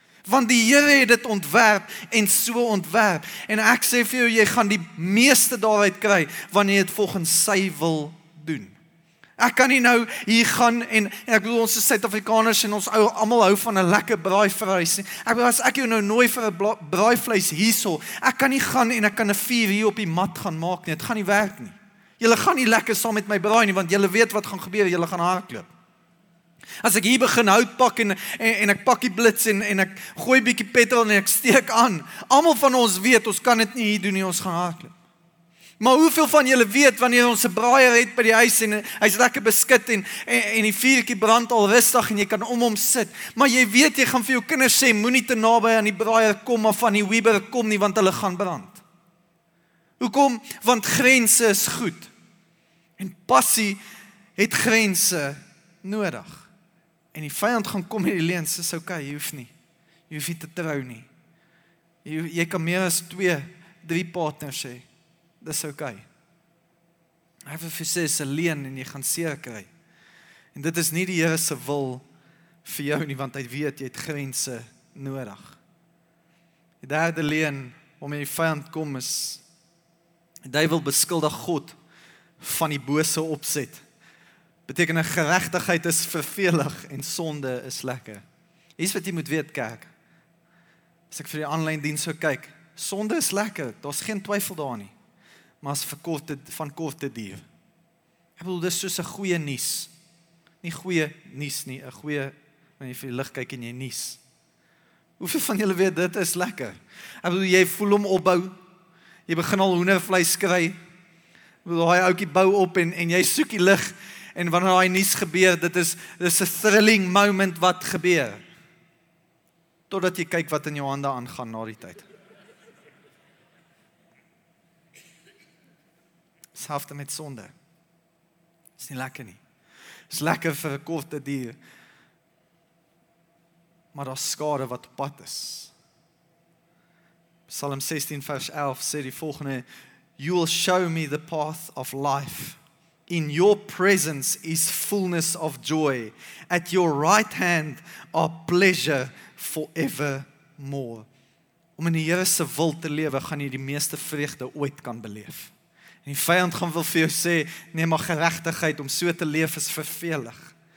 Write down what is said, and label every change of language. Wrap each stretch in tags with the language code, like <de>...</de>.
<af>Want die Here het dit ontwerp en so ontwerp. En ek sê vir jou, jy gaan die meeste daaruit kry, wanneer jy het volgens sy wil doen. Ek kan nie nou hier gaan, en ek bedoel, ons is Suid-Afrikaners en ons ou allemaal hou van 'n lekker braaivleis. Ek bedoel, as ek jou nou nooi vir 'n braaivleis hierso, ek kan nie gaan en ek kan 'n vuur hier op die mat gaan maak nie. Het gaan nie werk nie. Julle gaan nie lekker saam met my braai nie, want julle weet wat gaan gebeur, julle gaan hardloop. As ek hier begin hout pak en ek pak die blits en ek gooi bietjie petrol en ek steek aan, almal van ons weet, ons kan dit nie hier doen nie, ons gaan hardloop. Maar hoeveel van julle weet, wanneer ons 'n braaier het by die huis en hy's lekker beskit en die vuurtjie brand al rustig en jy kan om hom sit, maar jy weet, jy gaan vir jou kinders sê, moenie te naby aan die braaier kom of van die Weber kom nie, want hulle gaan brand. Hoekom? Want grense is goed. En passie het grense nodig. En die vyand gaan kom met die leuens, is okay, jy hoef nie. Jy hoef nie te trou nie. Jy kan meer as 2-3 partners hê. Dis okay. Hy wil vir sê, is 'n leuen en jy gaan seer kry. En dit is nie die Here se wil vir jou nie, want hy weet, jy het grense nodig. Die derde leuen, om in die vyand kom, is die duivel beskuldig God van die bose opset. Beteken, geregtigheid is vervelig en sonde is lekker. Hier's wat jy moet weet, kerk. As ek vir die online diens so kyk, sonde is lekker, daar's geen twyfel daar nie. Maar as van korte duur. Ek bedoel, dis soos 'n goeie nuus. Nie goeie nuus nie, 'n goeie, wanneer jy vir die lig kyk en jy nuus. Hoeveel van julle weet, dit is lekker? Ek bedoel, jy voel hom opbou, jy begin al hoendervleis kry, daai oukie bou op en jy soek die lig, en wanneer daai nuus gebeur, dit is 'n thrilling moment wat gebeur, totdat jy kyk wat in jou hande aangaan na die tyd. Selfde met sonde. Dit is nie lekker nie. Is lekker vir 'n korte duur. Maar daar's skade wat op pad is. Psalm 16 vers 11 sê die volgende,</af> <en>You will show me the path of life. In your presence is fullness of joy. At your right hand are pleasure forevermore.</en> <af>Om in die Here se wil te lewe, gaan jy die meeste vreugde ooit kan beleef. En die vyand gaan wil vir jou sê, nee, maar geregtigheid om so te leef is vervelig.</af>